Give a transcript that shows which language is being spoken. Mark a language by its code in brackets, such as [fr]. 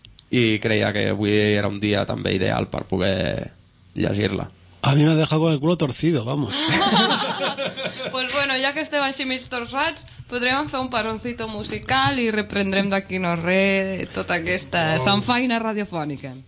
[ca] i creia que avui era un dia també ideal per poder llegir-la. A mi m'ha deixat [es] con el culo torcido, vamos. Pues bueno, [ca] ja que estem així mig torçats, podrem fer un paroncito musical i reprendrem d'aquí no re tota aquesta sanfaina radiofònica.